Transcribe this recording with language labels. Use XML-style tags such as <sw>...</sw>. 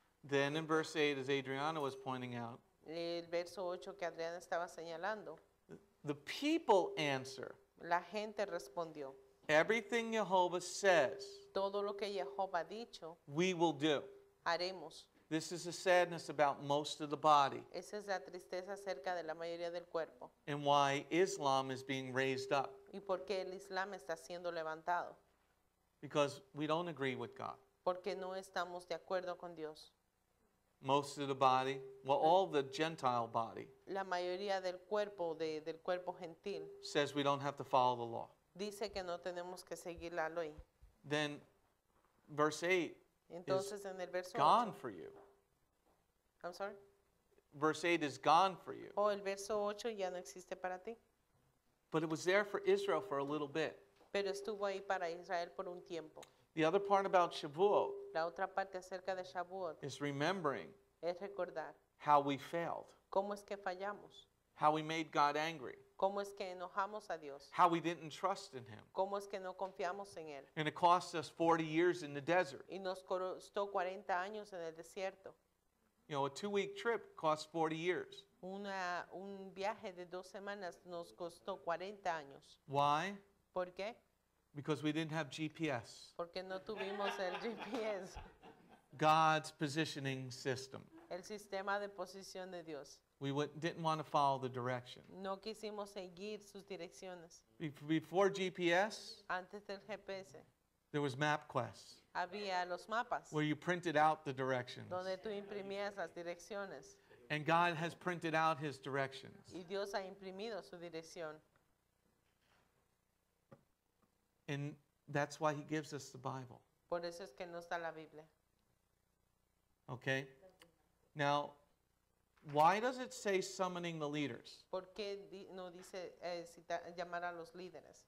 <en>Then in verse 8, as Adriana was pointing out,</en> <es>el verso 8 que Adriana estaba señalando,</es> <en>the people answer.</en> <es>La gente respondió.</es> <en>Everything Jehovah says,</en> <es>todo lo que Jehovah ha dicho,</es> <en>we will do.</en> <es>Haremos.</es> <en>This is a sadness about most of the body.</en> <es>Esa es la tristeza acerca de la mayoría del cuerpo.</es> <en>And why Islam is being raised up.</en> <es>Y por qué el Islam está siendo levantado.</es> <en>Because we don't agree with God.</en> <es>Porque no estamos de acuerdo con Dios.</es> <en>Most of the body, well, all the Gentile body,</en> <es>la mayoría del cuerpo, del cuerpo gentil,</es> <en>says we don't have to follow the law.</en> <es>Dice que no tenemos que seguir la ley.</es> <en>Then verse 8 is gone for you. I'm sorry? Verse 8 is gone for you.</en> <es>Oh, el verso 8 ya no existe para ti.</es> <en>But it was there for Israel for a little bit.</en> <es>Pero estuvo ahí para Israel por un tiempo.</es> <en>The other part about Shavuot,</en> <es>la otra parte acerca de Shavuot,</es> <en>is remembering,</en> <es>es recordar,</es> <en>how we failed.</en> <es>¿Cómo es que fallamos?</es> <en>How we made God angry.</en> <es>¿Cómo es que enojamos a Dios?</es> <en>How we didn't trust in him.</en> <es>¿Cómo es que no confiamos en él?</es> <en>And it cost us 40 years in the desert.</en> <es>Y nos costó 40 años en el desierto.</es> <en>You know, a two-week trip costs 40 years.</en> <es>Un viaje de dos semanas nos costó 40 años.</es> <en>Why?</en> <es>¿Por qué?</es> <en>Because we didn't have GPS.</en> <es>Porque no tuvimos el GPS.</es> <en>God's positioning system.</en> <es>El sistema de posición de Dios.</es> <en>We didn't want to follow the direction.</en> <es>No quisimos seguir sus direcciones.</es> <en>Before GPS,</en> <es>antes del GPS,</es> <en>there was MapQuest.</en> <es>Había los mapas.</es> <en>Where you printed out the directions.</en> <es>Donde tú imprimías las direcciones.</es> <en>And God has printed out his directions.</en> <es>Y Dios ha imprimido su dirección.</es> <en>And that's why he gives us the Bible.</en> <es>Por eso es que nos da la Biblia.</es> <en>Okay. Now, why does it say summoning the leaders?</en> <es>¿Por qué no dice llamar a los líderes?</es>